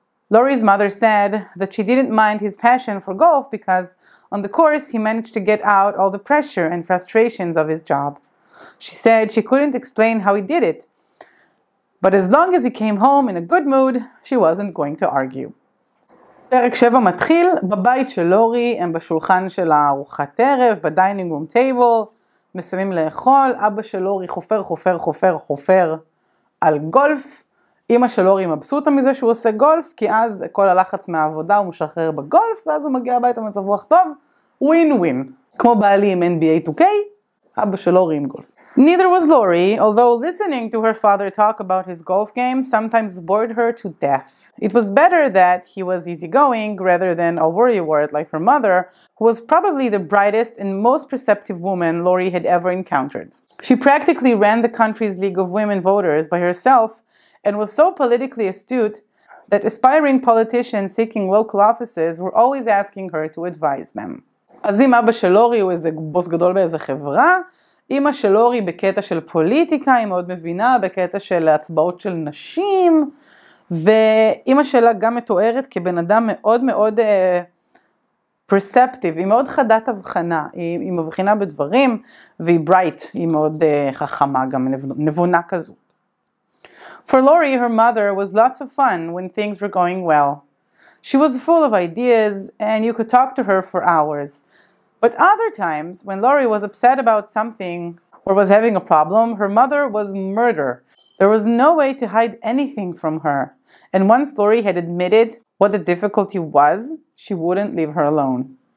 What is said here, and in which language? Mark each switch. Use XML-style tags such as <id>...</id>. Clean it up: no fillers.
<en>Lori's mother said that she didn't mind his passion for golf because on the course he managed to get out all the pressure and frustrations of his job. She said she couldn't explain how he did it, but as long as he came home in a good mood, she wasn't going to argue.</en> <he>פרק 7 מתחיל בבית של לורי, הם בשולחן של הארוחת ערב, בדיינינג רום טייבל, מסיימים לאכול, אבא של לורי חופר חופר חופר חופר על גולף, אמא של לורי מבסוטה מזה שהוא עושה גולף, כי אז כל הלחץ מהעבודה הוא משחרר בגולף, ואז הוא מגיע הביתה מצב רוח טוב, ווין ווין. כמו בעלי עם NBA 2K, אבא של לורי עם גולף.</he> <en>Neither was Lori, although listening to her father talk about his golf game sometimes bored her to death. It was better that he was easygoing rather than a worrywart like her mother, who was probably the brightest and most perceptive woman Lori had ever encountered. She practically ran the country's League of Women Voters by herself and was so politically astute that aspiring politicians seeking local offices were always asking her to advise them.</en> <he>אז אם אבא של לורי הוא איזה בוס גדול באיזה חברה, אמא של לורי בקטע של פוליטיקה היא מאוד מבינה, בקטע של הצבעות של נשים, ואמא שלה גם מתוארת כבן אדם מאוד מאוד perceptive, היא מאוד חדת הבחנה, היא מבחינה בדברים, והיא bright, היא מאוד חכמה גם, נבונה כזו.</he> <en>For Lori, her mother was lots of fun when things were going well. She was full of ideas and you could talk to her for hours. But other times, when Lori was upset about something or was having a problem, her mother was murder. There was no way to hide anything from her. And once Lori had admitted what the difficulty was, she wouldn't leave her alone.</en>